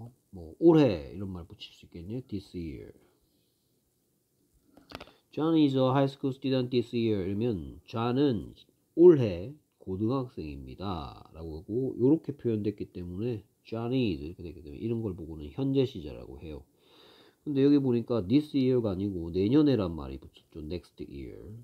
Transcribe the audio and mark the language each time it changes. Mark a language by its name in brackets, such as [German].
[Korean] 뭐 올해 이런 말 붙일 수 있겠네요. [English] This year. John is a high school student this year. [Korean] 이러면 John은 올해 고등학생입니다. 라고 하고 이렇게 표현됐기 때문에 [English] John is [Korean] 이렇게 되기 때문에 이런 걸 보고는 현재 시제라고 해요. 근데 여기 보니까 [English] this year [Korean] 가 아니고 내년에란 말이 붙였죠. [English] Next year.